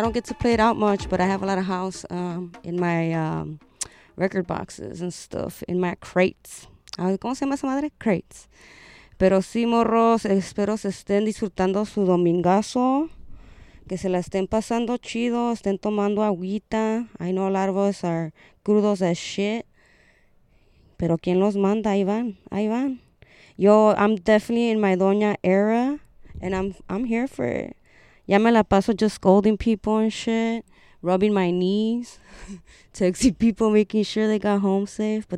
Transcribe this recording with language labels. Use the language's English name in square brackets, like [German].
[English] I don't get to play it out much, but I have a lot of house in my record boxes and stuff, in my crates. [Spanish] ¿Cómo se llama esa madre? Crates. Pero sí, morros, espero se estén disfrutando su domingazo. Que se la estén pasando chido, estén tomando agüita. [English] I know a lot of us are crudos as shit. [Spanish] Pero quién los manda, Iván, Iván. [English] Yo, I'm definitely in my doña era, and I'm here for it. [Spanish] Ya me la paso [English] just scolding people and shit, rubbing my knees, texting people, making sure they got home safe.